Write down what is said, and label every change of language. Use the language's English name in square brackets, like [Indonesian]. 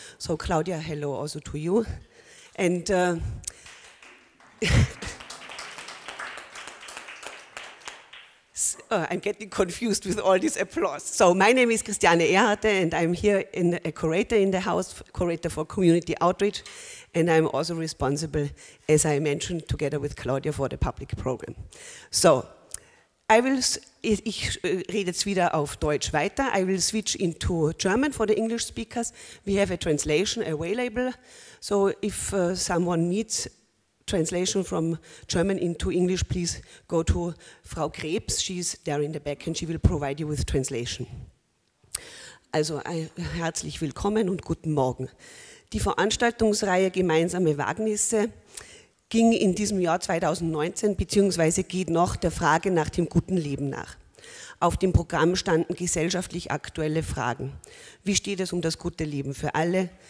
[English] So Claudia, hello also to you. And I'm getting confused with all this applause. So my name is Christiane Erhardte and I'm here in a curator in the house, curator for community outreach, and I'm also responsible, as I mentioned, together with Claudia for the public program. So I will, [German] ich rede jetzt wieder auf Deutsch weiter. [English] I will switch into German for the English speakers. We have a translation available. So if someone needs translation from German into English, please go to Frau Krebs. She's there in the back and she will provide you with translation. [German] Also herzlich willkommen und guten Morgen. Die Veranstaltungsreihe Gemeinsame Wagnisse ging in diesem Jahr 2019 beziehungsweise geht noch der Frage nach dem guten Leben nach. Auf dem Programm standen gesellschaftlich aktuelle Fragen. Wie steht es um das gute Leben für alle?